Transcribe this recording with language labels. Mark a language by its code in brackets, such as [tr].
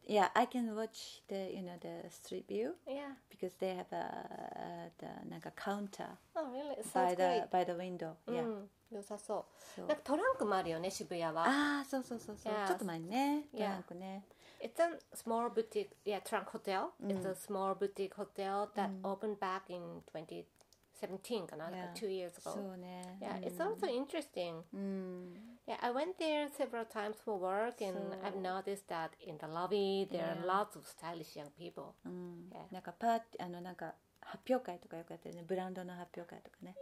[en] Yeah, I can watch the, you know, the street view. Yeah. Because they have a the, like a counter. Oh, really? Sounds by the great. By the window. Yeah. [ja] 良さそう.So. なんかトランクもあるよね、渋谷は. ああ、そうそうそうそう. [en] Yeah. [ja] ちょっと前にね、トランクね。 [en] It's a small boutique, yeah, trunk hotel. It's a small boutique hotel that opened back in 2017 かな? Like 2 years ago. [ja] そうね。 [en] Yeah, it's also interesting. Yeah, I went there several times for work and I've noticed that in the lobby there are lots of stylish young people. [ja] なんかパーティー、なんか発表会とかよくやってるね。ブランドの発表会とかね。